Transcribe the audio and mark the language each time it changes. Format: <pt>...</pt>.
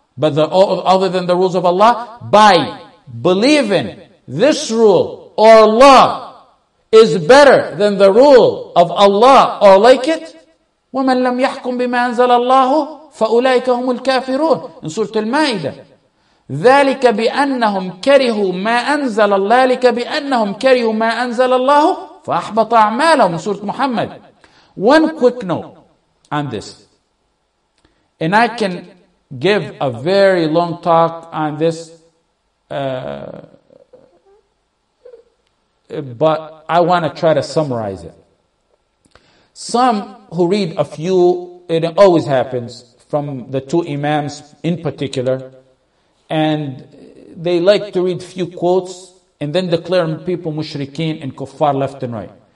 <en>but the, other than the rules of Allah, by believing this rule or law is better than the rule of Allah or like it,</en> <ar>وَمَنْ لَمْ يَحْكُمْ بِمَا أَنْزَلَ اللَّهُ فَأُولَٰئِكَ هُمُ الْكَافِرُونَ</ar> <en>in Surah Al-Ma'idah.</en> <ar>ذَلِكَ بِأَنَّهُمْ كَرِهُوا مَا أَنْزَلَ اللَّهُ ذَلِكَ بِأَنَّهُمْ كَرِهُوا مَا أَنْزَلَ اللَّهُ فَأَحْبَطَ أَعْمَالَهُمْ in Surah Muhammad.</ar> <en>One quick note on this. And I can give a very long talk on this. But I want to try to summarize it. Some who read a few, it always happens, from the two imams in particular, and they like to read few quotes and then declare people mushrikeen and kuffar left and right.</en>